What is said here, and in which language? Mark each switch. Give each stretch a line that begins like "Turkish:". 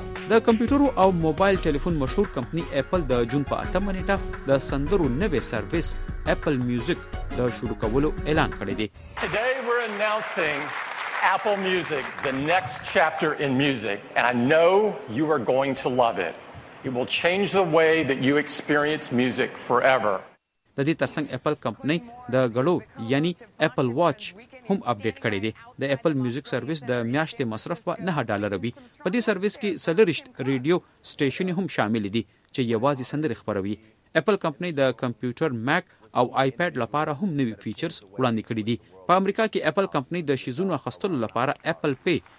Pashto: د کمپیوټرو او موبایل ټلیفون مشهور کمپنی اپل د جون په 8 نیټه د سندرو نوې سرویس اپل میوزیک د شروع کولو اعلان کړی دی.
English: Apple Music, the next chapter in music, and I know you are going to love it. It will change the way that you experience music forever.
Pashto: د دې ترڅنګ اپل کمپنی د غړو یعنی اپل واچ هم اپډیټ کړی دی. د اپل میوزیک سرویس د میاشتې مصرف په $9 وي. په دې سرویس کې سلرشت ریډیو سټیشن هم شامل دي چې یوازې سندرې خپروي. اپل کمپنی د کمپیوټر میک او آی پیډ لپاره هم نوي فیچرز وړاندې کړي دي. په امریکا کې اپل کمپنی د شیزونو اخستلو لپاره اپل پی